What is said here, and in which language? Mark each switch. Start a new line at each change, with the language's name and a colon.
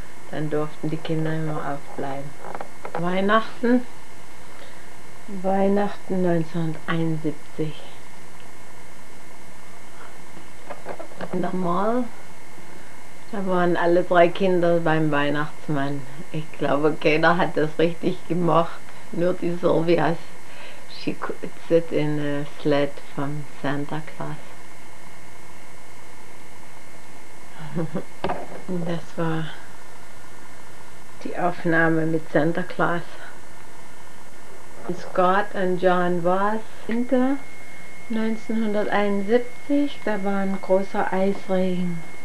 German: Dann durften die Kinder immer aufbleiben. Weihnachten 1971. Nochmal, da waren alle drei Kinder beim Weihnachtsmann. Ich glaube, keiner hat das richtig gemacht. Nur die Sylvias.
English: She could sit in a sled from Santa Claus.
German: Das war die Aufnahme mit Santa Claus. Scott und John Voss. Winter 1971, da war ein großer Eisregen.